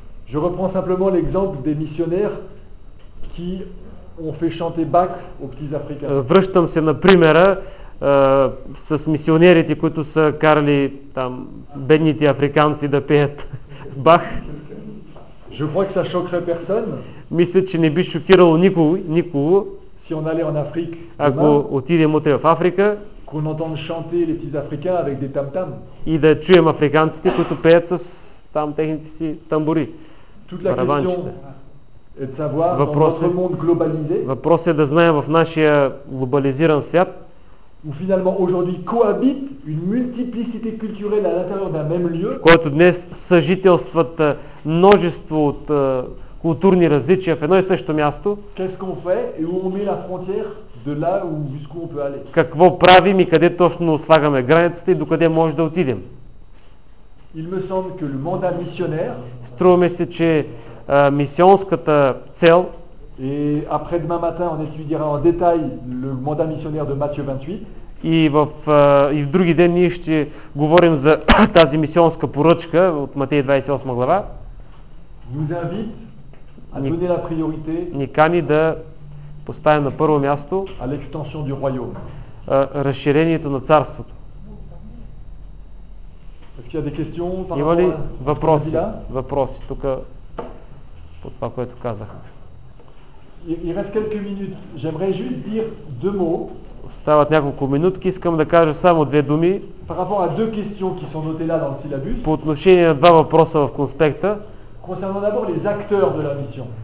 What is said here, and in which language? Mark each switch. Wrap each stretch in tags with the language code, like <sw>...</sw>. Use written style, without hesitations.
<fr>Je reprends simplement l'exemple des missionnaires qui ont fait chanter Bach aux petits africains.</fr> <bg>Връщам се на примера с мисионерите, които са карали там бедните африканци да пеят Бах.</bg> <fr>Je crois que ça choquerait personne.</fr> <bg>Мисля, че не би шокирало никого.</bg> <fr>Si on allait en Afrique.</fr> <bg>Ако отидем утре в Африка.</bg> <fr>Qu'on entende chanter les petits africains avec des tam-tam.</fr> <bg>И да чуем африканците, които пеят с там техните си тамбури.</bg> <fr>Toute la question est de savoir dans notre monde globalisé.</fr> <bg>Въпрос е да знаем в нашия глобализиран свят.</bg> <fr>Où finalement aujourd'hui cohabite une multiplicité culturelle à l'intérieur d'un même lieu.</fr> <bg>Който днес съжителстват множество от културни различия в едно и също място.</bg> <fr>Qu'est-ce qu'on fait et où on met la frontière de là où jusqu'où on peut aller?</fr> <bg>Какво правим и къде точно слагаме границата и докъде може да отидем?</bg> <fr>Il me semble que le mandat missionnaire.</fr> <bg>Струваме се, че мисионската цел.</bg> <fr>Et après demain matin, on étudiera en détail le mandat missionnaire de Matthieu 28.</fr> <bg>И в други ден ние ще говорим за тази мисионска поръчка от Матей 28 глава.</bg> <fr>Nous invite à donner la priorité.</fr> <bg>Ни кани да поставим на първо място.</bg> <fr>À l'extension du royaume.</fr> <bg>Разширението на царството.</bg> <fr>Est-ce qu'il y a des questions?</fr> <bg>Има ли въпроси? Въпроси тук по това, което казах.</bg> <fr>Il reste quelques minutes. J'aimerais juste dire deux mots.</fr> <bg>Остават няколко минутки, искам да кажа само две думи.</bg> <fr>Par rapport à deux questions qui sont notées là dans le syllabus.</fr> <bg>По отношение на два въпроса в конспекта.</bg> <fr>Concernant d'abord les acteurs de la mission.</fr>